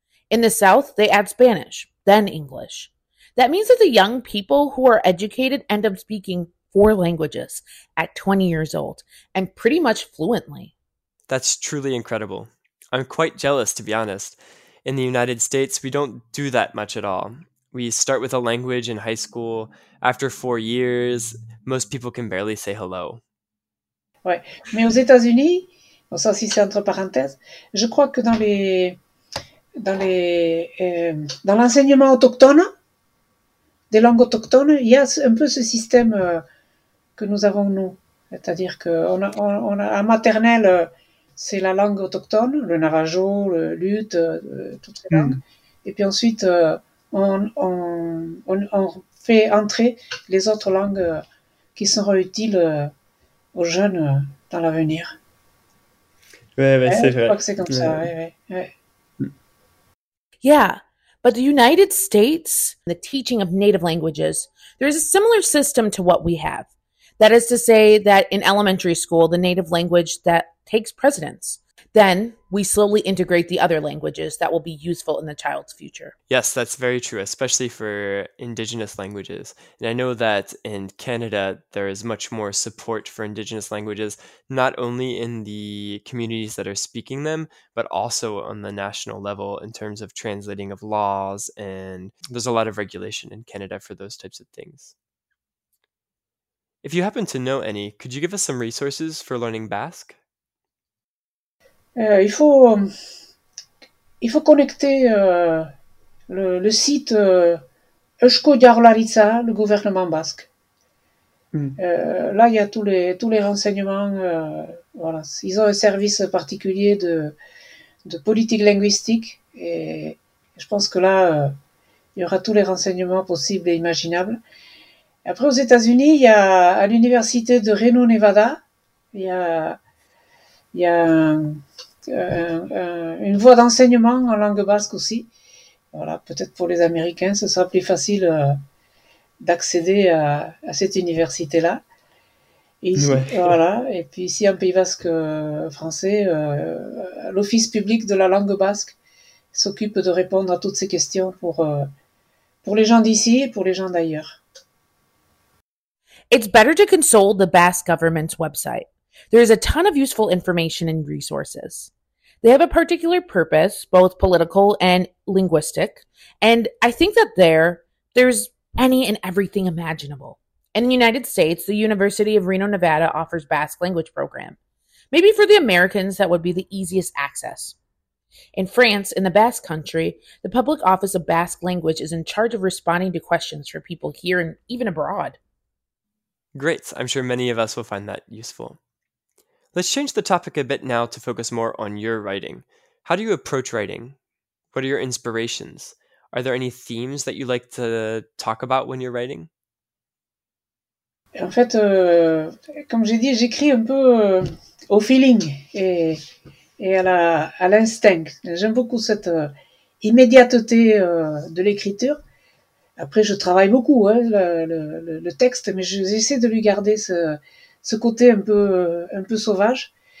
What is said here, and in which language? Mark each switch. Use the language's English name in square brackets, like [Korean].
[English] In the South, they add Spanish, then English. That means that the young people who are educated end up speaking 4 languages at 20 years old and pretty much fluently. That's truly incredible. I'm quite jealous, to be honest. In the United States, we don't do that much at all. We start with a language in high school. After 4 years, most people can barely say hello. [French] Ouais, mais aux États-Unis, bon, ça aussi c'est entre parenthèses, je crois que dans l'enseignement autochtone, des langues autochtones, il y a un peu ce système que nous avons nous. C'est-à-dire qu'on a un maternel. C'est la langue autochtone, le navajo, le lut, toutes ces langues. Et puis ensuite, on fait entrer les autres langues qui seront utiles aux jeunes dans l'avenir. Ouais, c'est vrai. Je crois que c'est comme ça, ouais. [English] Yeah, but the United States, the teaching of native languages, there is a similar system to what we have. That is to say that in elementary school, the native language that takes precedence. Then we slowly integrate the other languages that will be useful in the child's future. Yes, that's very true, especially for indigenous languages. And I know that in Canada, there is much more support for indigenous languages, not only in the communities that are speaking them, but also on the national level in terms of translating of laws. And there's a lot of regulation in Canada for those types of things. If you happen to know any, could you give us some resources for learning Basque? Il faut connecter le site Eusko-Jaurlaritza, le gouvernement basque. Là, il y a tous les renseignements. Voilà, ils ont un service particulier de politique linguistique, et je pense que là, il y aura tous les renseignements possibles et imaginables. Après, aux États-Unis, il y a à l'université de Reno, Nevada, il y a une voie d'enseignement en langue basque aussi, Voilà, peut-être pour les Américains, ce sera plus facile d'accéder à cette université-là. Et ici, ouais. Voilà. Et puis ici, en Pays Basque français, l'Office public de la langue basque s'occupe de répondre à toutes ces questions pour les gens d'ici et pour les gens d'ailleurs. It's better to consult the Basque government's website. There is a ton of useful information and resources. They have a particular purpose, both political and linguistic, and I think that there's any and everything imaginable. In the United States, the University of Reno, Nevada offers Basque language program. Maybe for the Americans, that would be the easiest access. In France, in the Basque country, the Public Office of Basque Language is in charge of responding to questions for people here and even abroad. Great. I'm sure many of us will find that useful. Let's change the topic a bit now to focus more on your writing. How do you approach writing? What are your inspirations? Are there any themes that you like to talk about when you're writing? [French] En fait, comme j'ai dit, j'écris un peu au feeling et à l'instinct. J'aime beaucoup cette immédiateté de l'écriture. Après, je travaille beaucoup le texte, mais j'essaie de lui garder ce côté un peu sauvage.